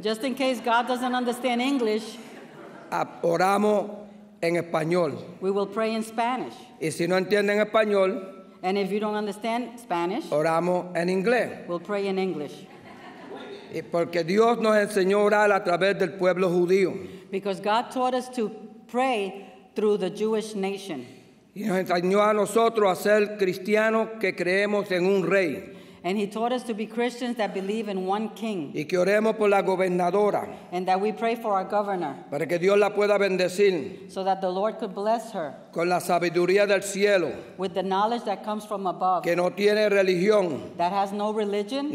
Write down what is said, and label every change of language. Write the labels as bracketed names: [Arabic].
[English] Just in case God doesn't understand English. [Spanish] Oramos en español. [English] We will pray in Spanish. [Spanish] Y si no entienden español, [English] and if you don't understand Spanish, [Spanish] oramos en inglés. [English] We'll pray in English. [Spanish] Y porque Dios nos enseñó a orar a través del pueblo judío. [English] Because God taught us to pray through the Jewish nation. [Spanish] Y nos enseñó a nosotros a ser cristianos que creemos en un rey. [English] And he taught us to be Christians that believe in one king. [Spanish] Y que oremos por la gobernadora. [English] And that we pray for our governor. [Spanish] Para que Dios la pueda bendecir. [English] So that the Lord could bless her. [Spanish] Con la sabiduría del cielo. [English] With the knowledge that comes from above. [Spanish] Que no tiene religión. [English] That has no religion.